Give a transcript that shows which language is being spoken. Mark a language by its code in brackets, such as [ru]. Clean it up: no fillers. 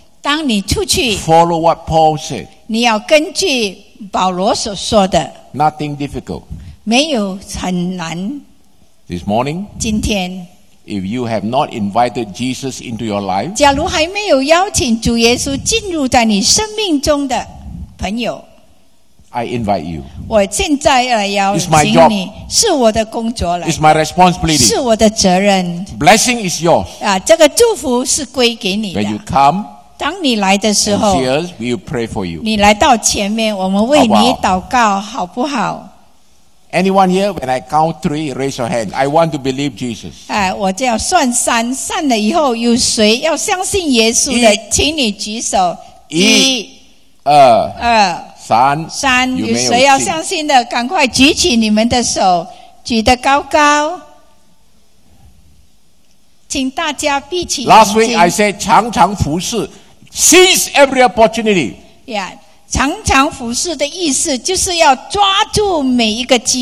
[zh] 当你出去 [en] Follow what Paul said. [zh] 你要根据保罗所说的 [en] Nothing difficult. [zh] 没有很难 [en] This morning, [zh] 今天 [en] If you have not invited Jesus into your life, [zh] 假如还没有邀请主耶稣进入在你生命中的朋友 [en] I invite you. [zh] 我现在要请你，是我的工作了。 [en] It's my responsibility. [zh] 是我的责任。 [en] Blessing is yours. [zh] 啊，这个祝福是归给你的。 [en] When you come, [zh] 当你来的时候 [en] ，and see us, we will pray for you. [zh] 你来到前面，我们为你祷告，好不好 [en] ？Anyone here? When I count three, raise your hand. I want to believe Jesus. [zh] 哎，我就要算三，算了以后有谁要相信耶稣的，请你举手。一、二、三，有谁要相信的？赶快举起你们的手，举得高高。请大家闭起眼睛。 [en] Last week I said [zh] 常常服侍 [en] ，seize every opportunity。 [zh] Yeah, 常常服侍的意思就是要抓住每一个机